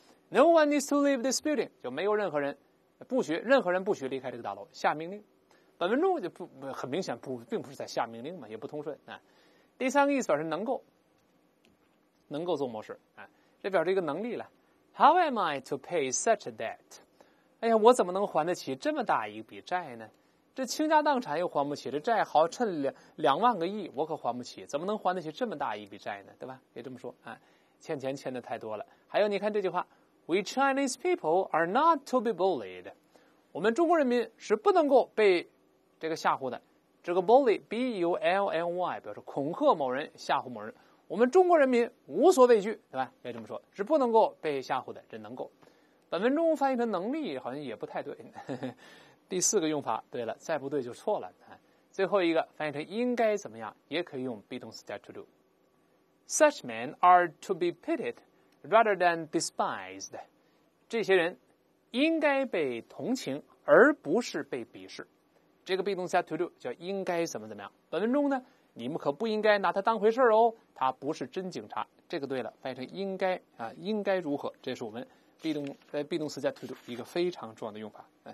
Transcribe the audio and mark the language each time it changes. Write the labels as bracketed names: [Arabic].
[English] No one needs to leave this building， [Chinese] 就没有任何人不许离开这个大楼，下命令。本文中就不很明显不并不是在下命令嘛，也不通顺。第三个意思表示能够做某事，这表示一个能力了。 [English] How am I to pay such a debt？ [Chinese] 哎呀，我怎么能还得起这么大一笔债呢？这倾家荡产又还不起，这债好趁2万个亿，我可还不起，怎么能还得起这么大一笔债呢？对吧？也这么说啊，欠钱欠的太多了。还有你看这句话 [English] We Chinese people are not to be bullied， [Chinese] 我们中国人民是不能够被这个吓唬的。这个 bully, B-U-L-L-Y, 表示恐吓某人，吓唬某人。我们中国人民无所畏惧，对吧？要这么说，是不能够被吓唬的，这能够。本文中翻译成能力好像也不太对。第四个用法，对了，再不对就错了。最后一个翻译成应该怎么样，也可以用 be动词加 to do。 [English] Such men are to be pitied rather than despised. [Chinese] 这些人应该被同情而不是被鄙视。这个 be 动词加 to do 叫应该怎么怎么样。本文中呢，你们可不应该拿他当回事哦，他不是真警察。这个对了，翻译成应该啊，应该如何。这是我们 be动词加 to do 一个非常重要的用法。